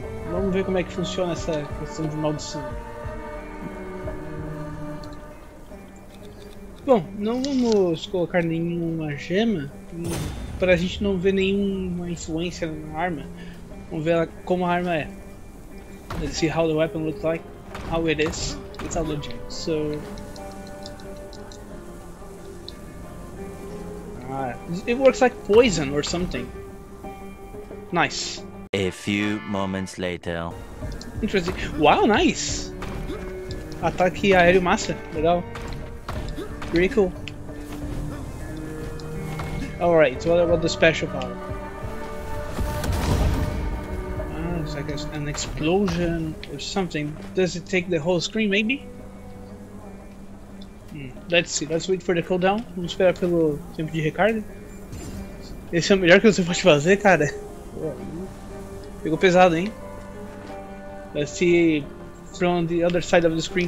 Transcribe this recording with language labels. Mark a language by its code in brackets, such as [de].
[pt] Vamos ver como é que funciona essa questão de maldição. Bom, não vamos colocar nenhuma gema. Para a gente não ver nenhuma influência na arma, vamos ver como a arma é. [en] Let's see how the weapon looks like, how it is, it's a legit. So, it works like poison or something. Nice. A few moments later. Interesting. Wow, nice. [pt] Ataque aéreo massa, legal. [en] Pretty cool. Alright, so what about the special power? It's like an explosion or something. Does it take the whole screen, maybe? Let's see, let's wait for the cooldown. [pt] Vamos esperar pelo tempo de recarga. Esse é o melhor que você pode fazer, cara. Ficou pesado, hein? [en] Let's see from the other side of the screen.